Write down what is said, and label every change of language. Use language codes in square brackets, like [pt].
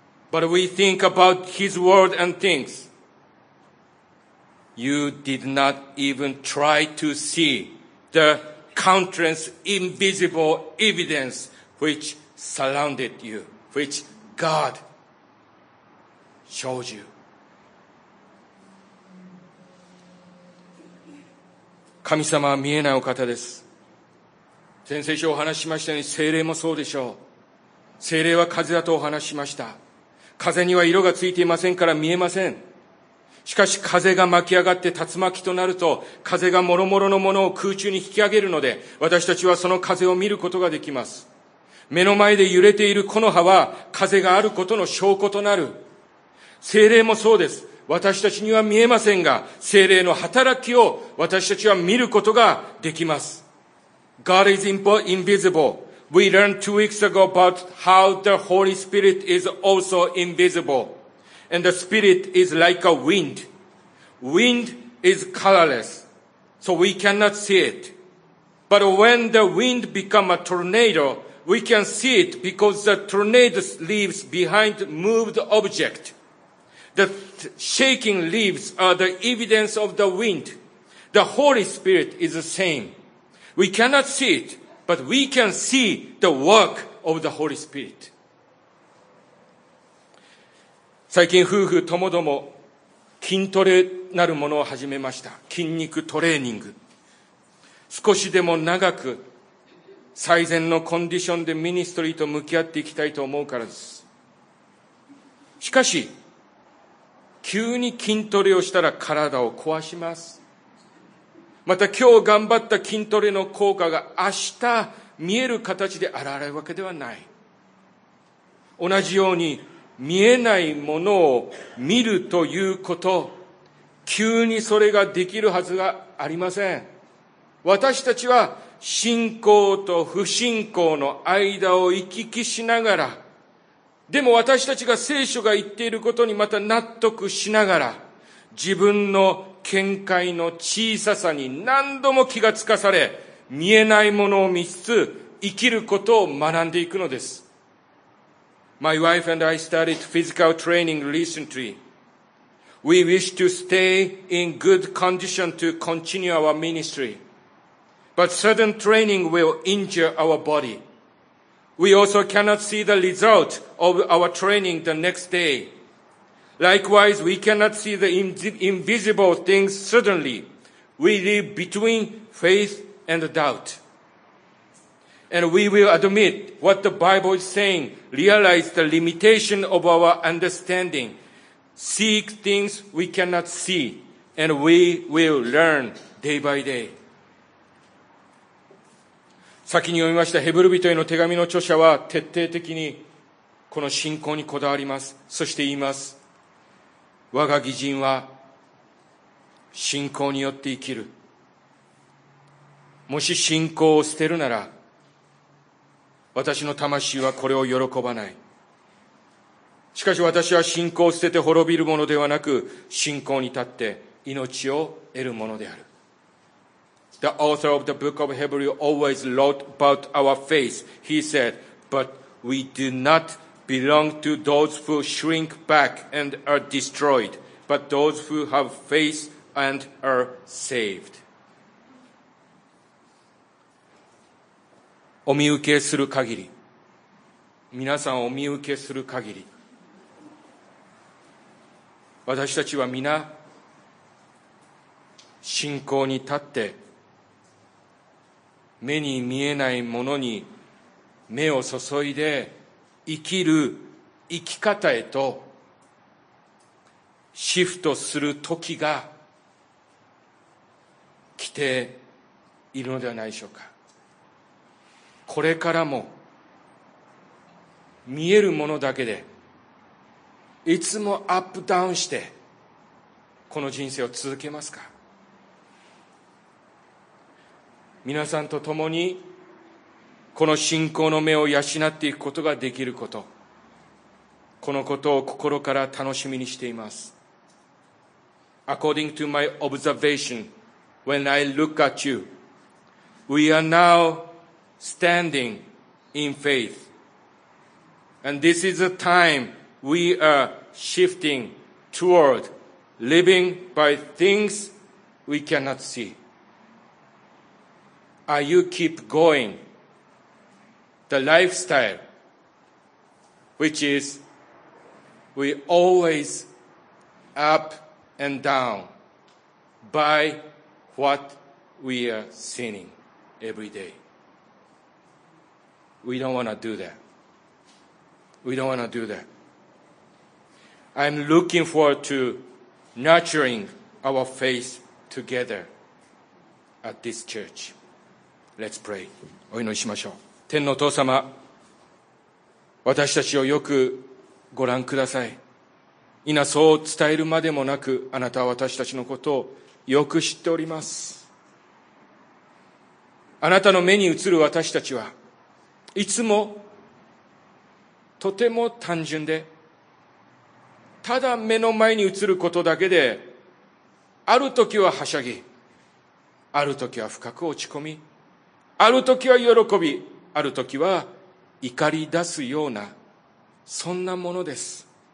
[en] But we think about his word and thinks. You did not even try to see the countless invisible evidence which surrounded you, which God showed you. [ja] 神様は見えないお方です。先生書お話しましたように聖霊もそうでしょう。聖霊は風だとお話しました。風には色がついていませんから見えません。しかし風が巻き上がって竜巻となると風が諸々のものを空中に引き上げるので私たちはその風を見ることができます。目の前で揺れている木の葉は風があることの証拠となる。聖霊もそうです。私たちには見えませんが聖霊の働きを私たちは見ることができます。 [en] God is invisible. We learned 2 weeks ago about how the Holy Spirit is also invisible. And the spirit is like a wind. Wind is colorless, so we cannot see it. But when the wind becomes a tornado, we can see it because the tornado leaves behind moved object. The shaking leaves are the evidence of the wind. The Holy Spirit is the same. We cannot see it, but we can see the work of the Holy Spirit. [ja] 最近夫婦ともども筋トレなるものを始めました。筋肉トレーニング。少しでも長く最善のコンディションでミニストリーと向き合っていきたいと思うからです。しかし、急に筋トレをしたら体を壊します。また今日頑張った筋トレの効果が明日見える形で現れるわけではない。同じように、見えないものを見るということ、急にそれができるはずがありません。私たちは信仰と不信仰の間を行き来しながら、でも私たちが聖書が言っていることにまた納得しながら、自分の見解の小ささに何度も気がつかされ、見えないものを見つつ生きることを学んでいくのです。 [en] My wife and I started physical training recently. We wish to stay in good condition to continue our ministry. But sudden training will injure our body. We also cannot see the result of our training the next day. Likewise, we cannot see the invisible things suddenly. We live between faith and doubt. And we will admit what the Bible is saying, realize the limitation of our understanding, seek things we cannot see, and we will learn day by day. [ja] 先に読みましたヘブル人への手紙の著者は徹底的にこの信仰にこだわります。そして言います。我が義人は信仰によって生きる。もし信仰を捨てるなら、私の魂はこれを喜ばない。しかし私は信仰を捨てて滅びるものではなく、信仰に立って命を得るものである。 [en] The author of the book of Hebrews always wrote about our faith. He said, But we do not belong to those who shrink back and are destroyed, but those who have faith and are saved. [ja] お見受けする限り、皆さんお見受けする限り、私たちは皆信仰に立って目に見えないものに目を注いで生きる生き方へとシフトする時が来ているのではないでしょうか。これからも見えるものだけでいつもアップダウンしてこの人生を続けますか。皆さんと共にこの信仰の目を養っていくことができること、このことを心から楽しみにしています。 [en] According to my observation, when I look at you, we are now standing in faith, and this is the time we areShifting toward living by things we cannot see. Are you keep going the lifestyle which is we always up and down by what we are seeing every day? We don't want to do that. We don't want to do that. I'm looking forward to nurturing our faith together at this church. Let's pray. [ja] お祈りしましょう。天のお父様、私たちをよくご覧ください。今そう伝えるまでもなく、あなたは私たちのことをよく知っております。あなたの目に映る私たちはいつもとても単純で、ただ目の前に映ることだけで、あるときははしゃぎ、あるときは深く落ち込み、あるときは喜び、あるときは怒り出すような、そんなものです。